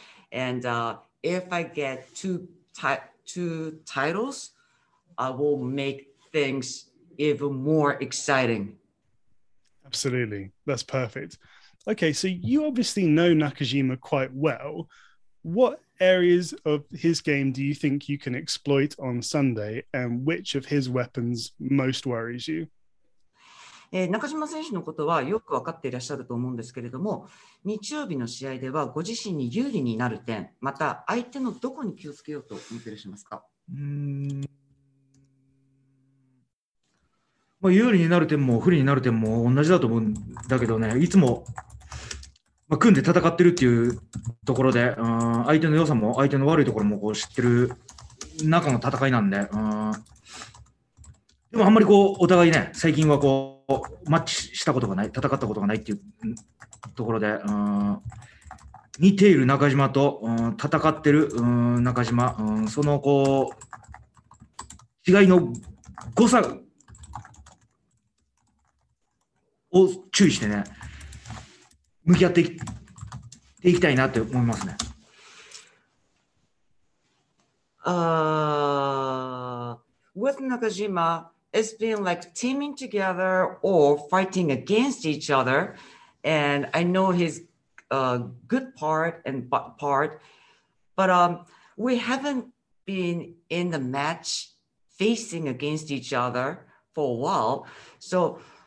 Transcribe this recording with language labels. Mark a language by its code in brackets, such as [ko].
[en] And if I get two titles, I will make things even more exciting. Absolutely. That's perfect. Okay, so you obviously know Nakajima quite well. What areas of his game do you think you can exploit on Sunday, and which of his weapons most worries you? [ja] 中島選手のことはよく分かっていらっしゃると思うんですけれども、日曜日の試合ではご自身に有利になる点、また相手のどこに気をつけようと見てらしますか？有利になる点も不利になる点も同じだと思うんだけどね、いつもまあ、組んで戦ってるっていうところで、相手の良さも相手の悪いところもこう知ってる中の戦いなんで、でもあんまりこうお互いね、最近はこうマッチしたことがない、戦ったことがないっていうところで、見ている中島と、戦ってる、中島、そのこう違いの誤差を注意してね、向き合っていきたいなって思いますね。 [en] With Nakajima, it's been like teaming together or fighting against each other, and I know his good part and bad part, but we haven't been in the match facing against each other for a while, so